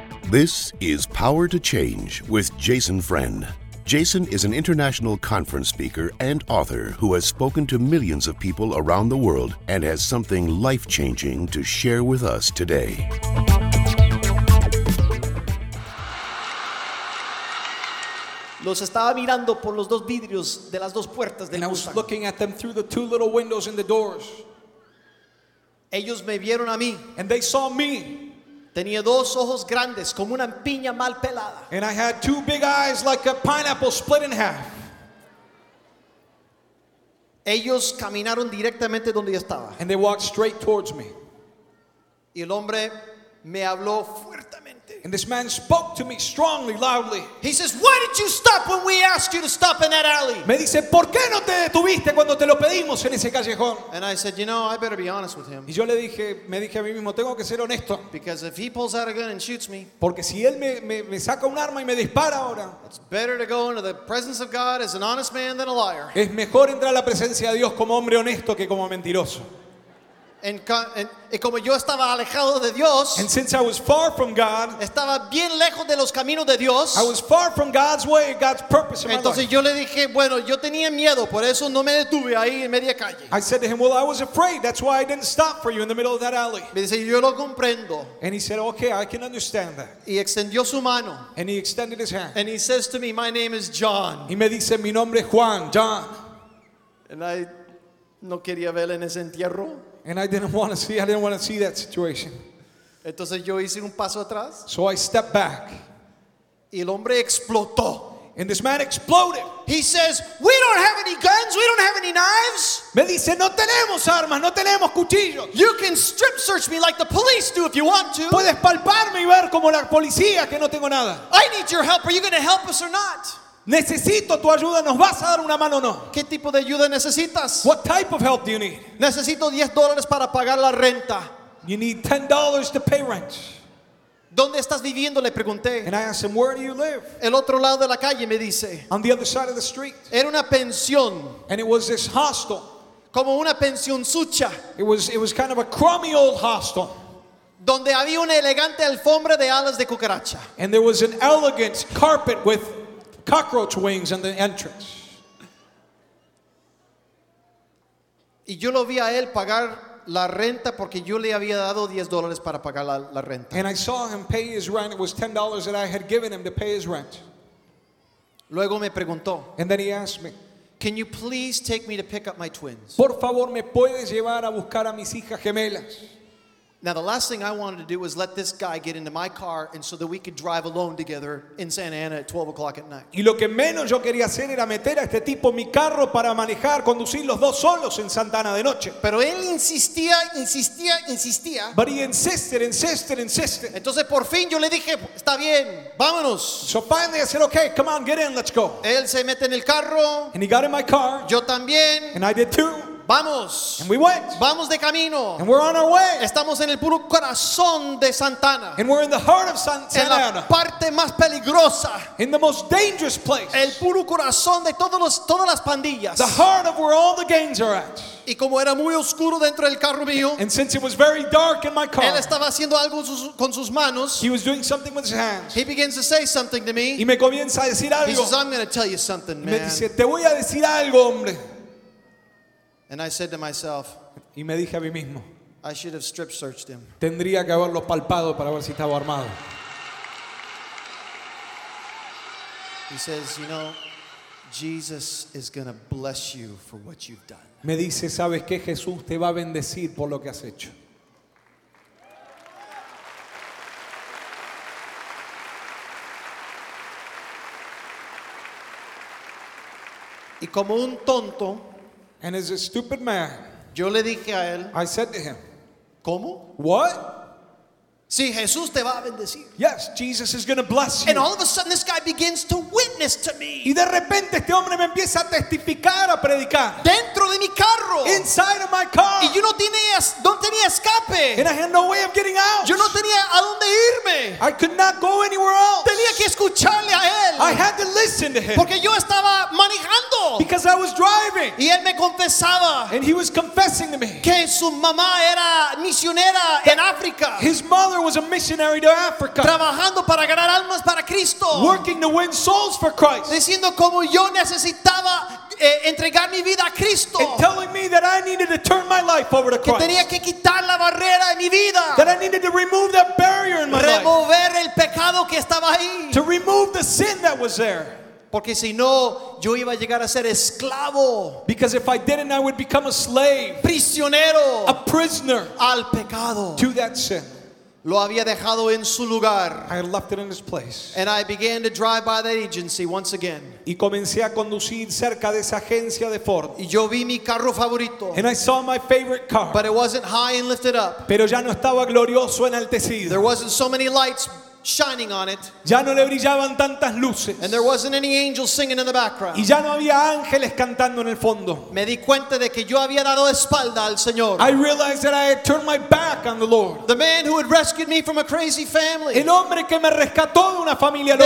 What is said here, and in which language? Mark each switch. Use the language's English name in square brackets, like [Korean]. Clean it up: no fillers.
[English] This is Power to Change with Jason Friend. Jason is an international conference speaker and author who has spoken to millions of people around the world and has something life-changing to share with us today. [Spanish] Los estaba mirando por los dos vidrios de las dos puertas del Mustang. [English] And I was looking at them through the two little windows in the doors. [Spanish] Ellos me vieron a mí. [English] And they saw me. [Spanish] Tenía dos ojos grandes como una piña mal pelada. [English] And I had two big eyes like a pineapple split in half. [Spanish] Ellos caminaron directamente donde yo estaba. [English] And they walked straight towards me. [Spanish] Y el hombre me habló fuertemente. [English] And this man spoke to me strongly, loudly. He says, "Why did you stop when we asked you to stop in that alley?" [Spanish] Me dice, "¿Por qué no te detuviste cuando te lo pedimos en ese callejón?" [English] And I said, "You know, I better be honest with him." [Spanish] Y yo le dije, me dije a mí mismo, tengo que ser honesto. [English] Because if he pulls out a gun and shoots me, [Spanish] porque si él me saca un arma y me dispara ahora, [English] it's better to go into the presence of God as an honest man than a liar. [Spanish] Es mejor entrar a la presencia de Dios como hombre honesto que como mentiroso. Y como yo estaba alejado de Dios, [English] and since I was far from God, [Spanish] estaba bien lejos de los caminos de Dios, [English] I was far from God's way, God's purpose in my [Spanish] entonces [English] life. [Spanish] Yo le dije, bueno, yo tenía miedo, por eso no me detuve ahí en media calle. [English] I said to him, "Well, I was afraid. That's why I didn't stop for you in the middle of that alley." [Spanish] Me dice, yo lo comprendo. [English] And he said, "Okay, I can understand that." [Spanish] Y extendió su mano. [English] And he extended his hand. And he says to me, "My name is John." [Spanish] Y me dice, mi nombre es Juan, John. [English] And I [Spanish] no quería verle en ese entierro. [English] And I didn't want to see that situation. [Spanish] Entonces yo hice un paso atrás. [English] So I stepped back. [Spanish] Y el hombre explotó. [English] And this man exploded. He says, "We don't have any guns, we don't have any knives." [Spanish] Me dice, "No tenemos armas, no tenemos cuchillos." [English] "You can strip search me like the police do if you want to." [Spanish] Puedes palparme y ver como la policía que no tengo nada. [English] "I need your help. Are you going to help us or not?" [Spanish] Necesito tu ayuda, ¿nos vas a dar una mano o no? ¿Qué tipo de ayuda necesitas? [English] What type of help do you need? [Spanish] Necesito $10 para pagar la renta. [English] You need $10 to pay rent. [Spanish] ¿Dónde estás viviendo? Le pregunté. [English] And I asked him, "Where do you live?" [Spanish] El otro lado de la calle, me dice. [English] On the other side of the street. [Spanish] Era una pensión. [English] And it was this hostel. [Spanish] Como una pensión sucha. [English] It was kind of a crummy old hostel. [Spanish] Donde había una elegante alfombra de alas de cucaracha. [English] And there was an elegant carpet with cockroach wings in the entrance. [Spanish] Y yo lo vi a él pagar la renta porque yo le había dado $10 para pagar la renta. [English] And I saw him pay his rent. It was $10 that I had given him to pay his rent. [Spanish] Luego me preguntó. [English] And then he asked me, "Can you please take me to pick up my twins?" [Spanish] Por favor, ¿me puedes llevar a buscar a mis hijas gemelas? [English] Now the last thing I wanted to do was let this guy get into my car and so that we could drive alone together in Santa Ana at 12 o'clock at night. [Spanish] Y lo que menos yo quería hacer era meter a este tipo en mi carro para manejar, conducir los dos solos en Santa Ana de noche. Pero él insistía, insistía, insistía. [English] But he insisted, insisted, insisted. [Spanish] Entonces por fin yo le dije, "Está bien, vámonos." [English] So finally I said, "Okay, come on, get in, let's go." [Spanish] Él se mete en el carro. [English] And he got in my car. [Spanish] Yo también. [English] And I did too. [Spanish] Vamos. [English] And we went. [Spanish] Vamos de camino. [English] And we're on our way. [Spanish] Estamos en el puro corazón de Santa Ana. [English] And we're in the heart of Santa Ana. [Spanish] En la parte más peligrosa. [English] In the most dangerous place. [Spanish] El puro corazón de todas las pandillas. [English] The heart of where all the gangs are at. [Spanish] Y como era muy oscuro dentro del carro mío, [English] and since it was very dark in my car, [Spanish] él estaba haciendo algo con sus manos. [English] He was doing something with his hands. He begins to say something to me. [Spanish] Y me comienza a decir algo. [English] He says, "I'm going to tell you something, man." [Spanish] Me dice, "Te voy a decir algo, hombre." [English] And I said to myself, [Spanish] y me dije a mí mismo, [English] I should have strip searched him. [Spanish] Tendría que haberlo palpado para ver si estaba armado. [English] He says, "You know, Jesus is going to bless you for what you've done." [Spanish] Me dice, "¿Sabes qué? Jesús te va a bendecir por lo que has hecho." Y como un tonto, [English] and as a stupid man, [Spanish] yo le dije a él, [English] I said to him, [Spanish] "¿Cómo? [English] What? [Spanish] Sí, Jesús te va a bendecir." [English] Yes, Jesus is going to bless you. And all of a sudden, this guy begins to witness to me. [Spanish] Y de repente, este hombre me empieza a testificar, a predicar. Dentro de mi carro. [English] Inside of my car. [Spanish] Y yo no tenía escape. [English] And I had no way of getting out. [Spanish] Yo no tenía a dónde irme. [English] I could not go anywhere else. [Spanish] Tenía escucharle a él. [English] I had to listen to him. [Spanish] Porque yo estaba manejando. [English] Because I was driving. [Spanish] Y él me confesaba. [English] And he was confessing to me. [Spanish] Que su mamá era misionera en África. [English] His mother was a missionary to Africa. [Spanish] Trabajando para ganar almas para Cristo. [English] Working to win souls for Christ. [Spanish] Diciendo como yo necesitaba entregar mi vida a Cristo. [English] And telling me that I needed to turn my life over to Christ. [Spanish] Que tenía que quitar la barrera de mi vida. [English] That I needed to remove that barrier in my [Spanish] remover [English] life. [Spanish] Remover el pecado que estaba ahí. [English] To remove the sin that was there. [Spanish] Porque si no, yo iba a llegar a ser esclavo. [English] Because if I didn't, I would become a slave. [Spanish] Prisionero. [English] A prisoner. [Spanish] Al pecado. [English] To that sin. [Spanish] Lo había dejado en su lugar. [English] I had left it in his place. And I began to drive by that agency once again. [Spanish] Y comencé a conducir cerca de esa agencia de Ford. Y yo vi mi carro favorito. [English] And I saw my favorite car. But it wasn't high and lifted up. [Spanish] Pero ya no estaba glorioso enaltecido. [English] There wasn't so many lights shining on it. [Spanish] Ya no le brillaban tantas luces. [English] And there wasn't any angels singing in the background. [Spanish] Y ya no había ángeles cantando en el fondo. Me di cuenta de que yo había dado espalda al Señor. [English] I realized that I had turned my back on the Lord. The man who had rescued me from a crazy family. [Spanish] El hombre que me rescató de una familia loca.